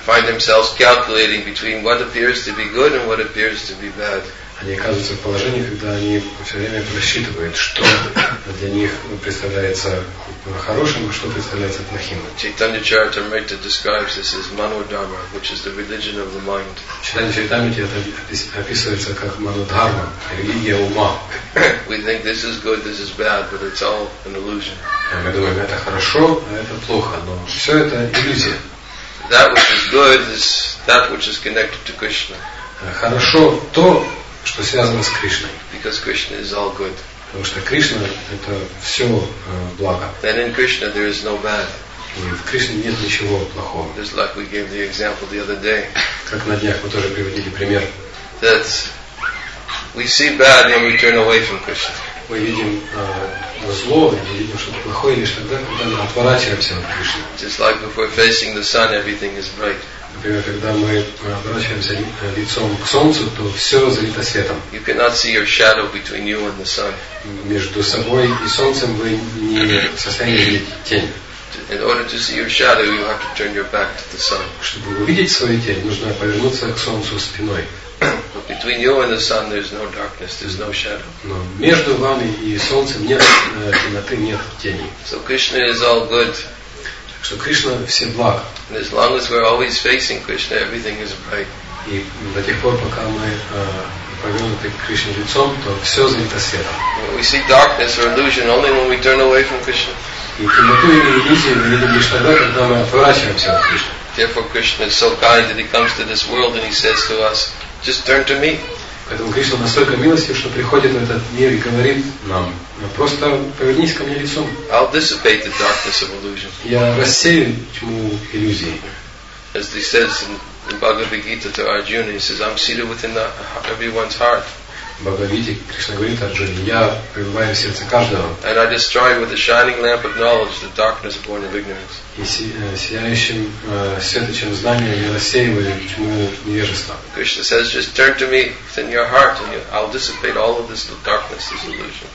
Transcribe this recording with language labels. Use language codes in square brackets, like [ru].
[en] Find themselves calculating between what appears to be good and what appears to be bad. [ru] Они оказываются в положении, когда они все время просчитывают, что для них представляется хорошим, а что представляется плохим. [en] Чайтанья Чаритамрита describes this as Манодхарма, which is the religion of the mind. [ru] Чайтанья Чаритамрита это описывается как Манодхарма, религия ума. [en] We think this is good, this is bad, but it's all an illusion. [ru] Мы думаем, это хорошо, а это плохо, но все это иллюзия. [en] That which is good is that which is connected to Krishna. [ru] Хорошо то, что связано с Кришной. [en] Because Krishna is all good. [ru] Потому что Кришна это все благо. [en] Then in Krishna there is no bad. [ru] И в Кришне нет ничего плохого. [en] Just like we gave the example the other day. [ru] Как на днях мы тоже приводили пример. [en] That we see bad when we turn away from Krishna. [ru] Мы видим зло, мы видим что-то плохое лишь тогда, когда мы отворачиваемся от Кришны. [en] Just like before facing the sun, everything is bright. [ru] Например, когда мы обращаемся лицом к солнцу, то все залито светом. [en] You cannot see your shadow between you and the sun. [ru] Между собой и солнцем вы не в состоянии видеть тень. [en] In order to see your shadow, you have to turn your back to the sun. [ru] Чтобы увидеть свою тень, нужно повернуться к солнцу спиной. [en] But between you and the sun, there is no darkness, there is no shadow. [ru] Но между вами и солнцем нет темноты, нет тени. [en] So Krishna is all good. [ru] Что Кришна все благ. [en] And as long as we're always facing Krishna, everything is bright. [ru] И до тех пор, пока мы повернуты к Кришне лицом, то все залито светом. [en] We see darkness or illusion only when we turn away from Krishna. [ru] И темноту или иллюзию мы видим лишь тогда, когда мы отворачиваемся от Кришны. [en] Therefore, Krishna is so kind that he comes to this world and he says to us, "Just turn to me." [ru] Поэтому Кришна настолько милостив, что приходит в этот мир и говорит нам, просто повернись ко мне лицом. [en] I'll dissipate the darkness of illusion. [ru] Я рассею тьму иллюзий. [en] As he says in Bhagavad Gita to Arjuna, he says, I'm seated within everyone's heart. [ru] В Бхагавад-гите Кришна говорит Арджуне, я пребываю в сердце каждого. [en] And I destroy with the shining lamp of knowledge the darkness born of ignorance. [ru] И сияющим светочем знания я рассеиваю тьму невежества. [en] Krishna says, just turn to me within your heart and I'll dissipate all of this darkness, this illusion.